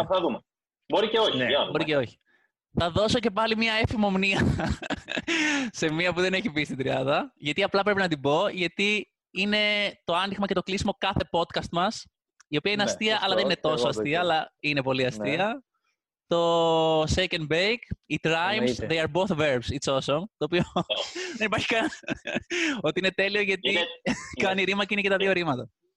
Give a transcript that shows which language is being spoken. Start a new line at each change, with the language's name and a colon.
Greek: Θα δούμε. Μπορεί και όχι. Ναι, μπορεί και όχι. Θα δώσω και πάλι μία έφημο μνήμα σε μία που δεν έχει μπει στην τριάδα. Γιατί απλά πρέπει να την πω, γιατί είναι το άνοιγμα και το κλείσιμο κάθε podcast μας, η οποία είναι ναι, αστεία, αλλά δεν είναι τόσο αστεία, αλλά είναι πολύ αστεία. Ναι.
English: Το shake and bake, it rhymes,
Greek: εννοείται.
English: They are both verbs, it's awesome.
Greek: Το οποίο δεν υπάρχει καν. Ότι είναι τέλειο γιατί είναι, κάνει είναι. Ρήμα και είναι και τα δύο ρήματα.